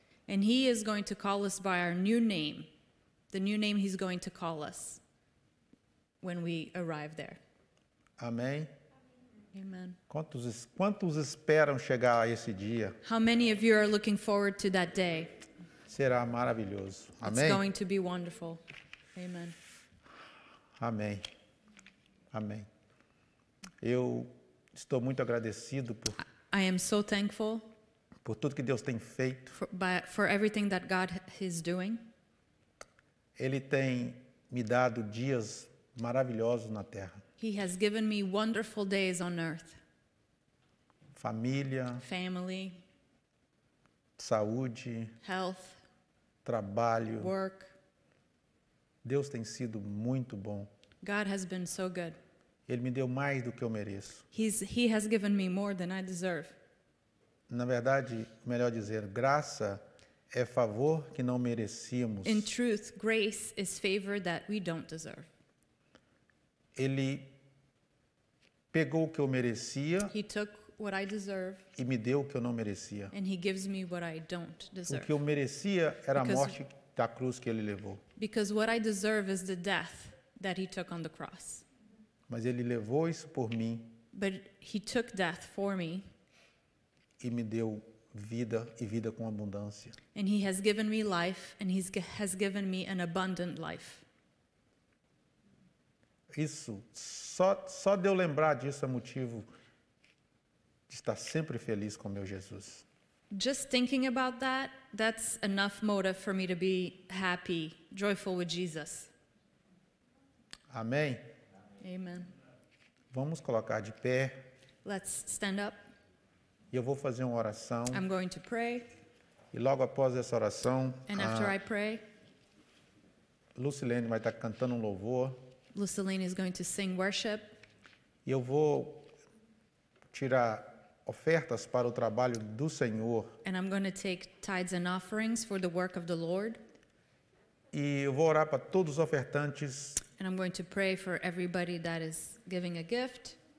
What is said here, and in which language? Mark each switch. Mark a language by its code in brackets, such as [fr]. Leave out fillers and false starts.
[en] And he is going to call us by our new name. The new name he's going to call us when we arrive there. [pt] Amém. [en] Amen. [pt] Quantos esperam chegar a esse dia? [en] How many of you are looking forward to that day? [pt] Será maravilhoso. [en] It's [pt] Amém. [en] It's going to be wonderful. Amen. [pt] Amém. Amém. Eu estou muito agradecido por [en] I am so thankful [pt] por tudo que Deus tem feito. [en] For everything that God is doing. [pt] Ele tem me dado dias maravilhosos na terra. [en] He has given me wonderful days on earth. [pt] Família. [en] Family. [pt] Saúde. [en] Health. [pt] Trabalho. [en] Work. [pt] Deus tem sido muito bom. [en] God has been so good. [pt] Ele me deu mais do que eu mereço. [en] He has given me more than I deserve. [pt] Na verdade, melhor dizer, graça é favor que não merecíamos. [en] In truth, grace is favor that we don't deserve. [pt] Ele pegou o que eu merecia. [en] He took what I deserve. [pt] E me deu o que eu não merecia. [en] And he gives me what I don't deserve. [pt] O que eu merecia era a morte da cruz que ele levou. [en] Because what I deserve is the death that he took on the cross. [pt] Mas ele levou isso por mim. [en] But he took death for me. [pt] E me deu vida e vida com abundância. [en] And he has given me life and he has given me an abundant life. [pt] Isso, só de eu lembrar disso é motivo de estar sempre feliz com meu Jesus. [en] Just thinking about that, that's enough motive for me to be happy, joyful with Jesus. [pt] Amém? [en] Amen. [pt] Vamos colocar de pé. [en] Let's stand up. [pt] E eu vou fazer uma oração. [en] I'm going to pray. [pt] E logo após essa oração, [en] and after I pray, [pt] Lucilene vai estar cantando um louvor. [en] Lucilene is going to sing worship. [pt] E eu vou tirar ofertas para o trabalho do Senhor. [en] And I'm going to take tithes and offerings for the work of the Lord. [pt] E eu vou orar para todos os ofertantes. [en] And I'm going to pray for everybody that is giving a gift.